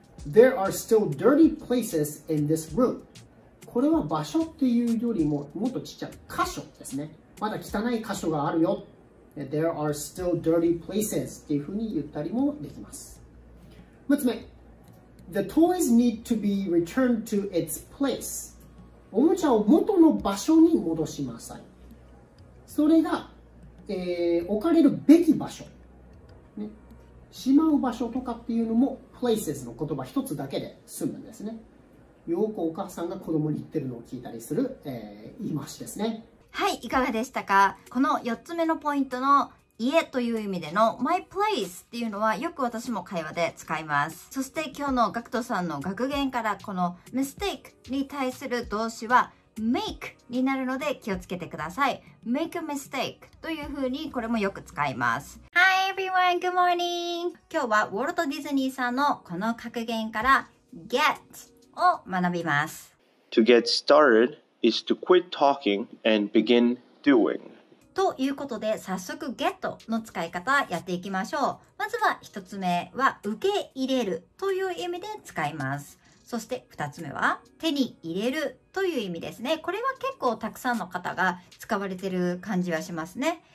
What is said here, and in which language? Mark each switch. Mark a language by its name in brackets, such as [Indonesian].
[English] There are still dirty places in this room. [Japanese] これは場所っていうよりも、もっとちっちゃい箇所ですね。まだ汚い箇所があるよ。 [English] There are still dirty places [Japanese] っていうふうに言ったりもできます。6つ目。 [English] The toys need to be returned to its place. [Japanese] おもちゃを元の場所に戻しなさい。それが、置かれるべき場所、ね。しまう場所とかっていうのも、places の言葉一つだけで済むんですね。よくお母さんが子供に言ってるのを聞いたりする、言い回しですね。はい、いかがでしたか? この4つ目のポイントの家という意味での my place っていうのはよく私も会話で使います。そして今日の学徒さんの学言からこの mistake に対する動詞はmake になるので気をつけてください。 make a mistake という風にこれもよく使います。 [English] Hi everyone, good morning! [Japanese] 今日はウォルト・ディズニーさんのこの格言から get を学びます。 [English] To get started is to quit talking and begin doing. [Japanese] ということで早速 get の使い方やっていきましょう。まずは一つ目は受け入れるという意味で使います。そして2つ目は手に入れるという意味ですね。これは結構たくさんの方が使われてる感じはしますね。